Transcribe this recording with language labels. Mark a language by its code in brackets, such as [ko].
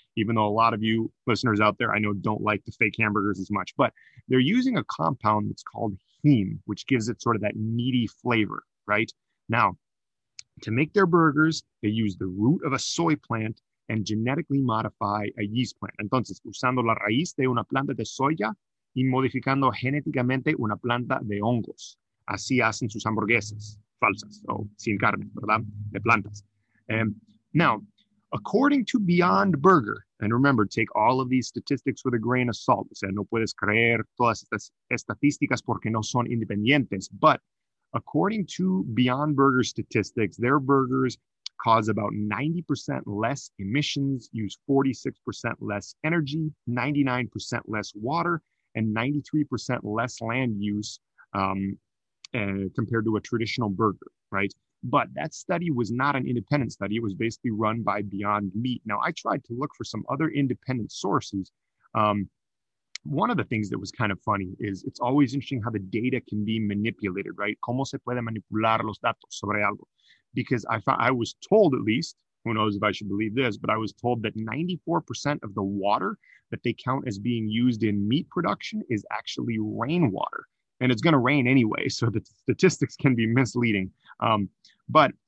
[en] Even though a lot of you listeners out there, I know, don't like the fake hamburgers as much, but they're using a compound that's called heme, which gives it sort of that meaty flavor, right? Now, to make their burgers, they use the root of a soy plant and genetically modify a yeast plant. [es] Entonces, usando la raíz de una planta de soya y modificando genéticamente una planta de hongos. Así hacen sus hamburguesas falsas o sin carne, ¿verdad? De plantas. [en] Now, according to Beyond Burger, and remember, take all of these statistics with a grain of salt. [es] O sea, no puedes creer todas estas estadísticas porque no son independientes. [en] But according to Beyond Burger statistics, their burgers cause about 90% less emissions, use 46% less energy, 99% less water, and 93% less land use compared to a traditional burger, right? But that study was not an independent study. It was basically run by Beyond Meat. Now, I tried to look for some other independent sources. One of the things that was kind of funny is it's always interesting how the data can be manipulated, right? [es] ¿Cómo se puede manipular los datos sobre algo? [en] Because I was told, at least, who knows if I should believe this, but I was told that 94% of the water that they count as being used in meat production is actually rainwater. And it's going to rain anyway, so the statistics can be misleading. But